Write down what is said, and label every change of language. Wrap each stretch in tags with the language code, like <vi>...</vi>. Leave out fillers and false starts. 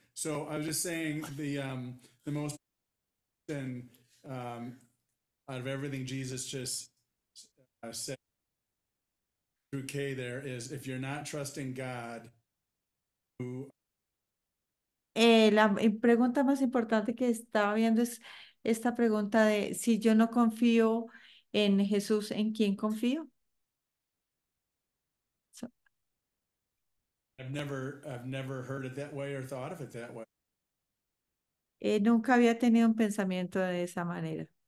<en>So I was just saying the most and out of everything Jesus just said through K there is if you're not trusting God, who</en> <es>La pregunta más importante que estaba viendo es esta pregunta de si yo no confío en Jesús, ¿en quién confío?</es> <en>I've never heard it that way or thought of it that way.</en> <es>Nunca había tenido un pensamiento de esa manera.</es>